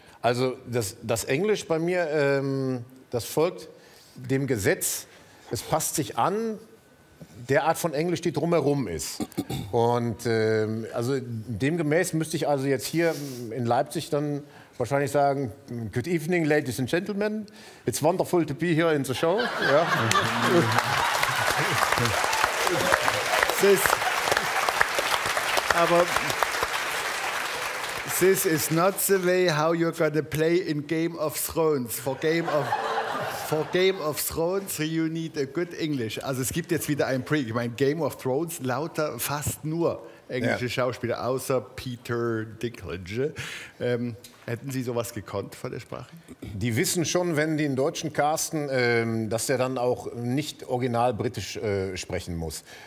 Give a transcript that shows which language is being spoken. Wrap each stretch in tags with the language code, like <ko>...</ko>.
<de>Also das Englisch bei mir, das folgt dem Gesetz. Es passt sich an der Art von Englisch, die drumherum ist. Und also demgemäß müsste ich also jetzt hier in Leipzig dann wahrscheinlich sagen, good evening, ladies and gentlemen.</de> <en>It's wonderful to be here in the show.</en> <de>Ja.</de> <en>Sis,</en> <de>aber</de> <en>this is not the way how you're going to play in Game of Thrones. For Game of Thrones, you need a good English.</en> <de>Also es gibt jetzt wieder ein Pre. Ich meine, Game of Thrones, lauter fast nur englische Schauspieler, außer Peter Dinklage. Hätten Sie sowas gekonnt von der Sprache? Die wissen schon, wenn die einen Deutschen casten, dass der dann auch nicht original britisch sprechen muss.</de>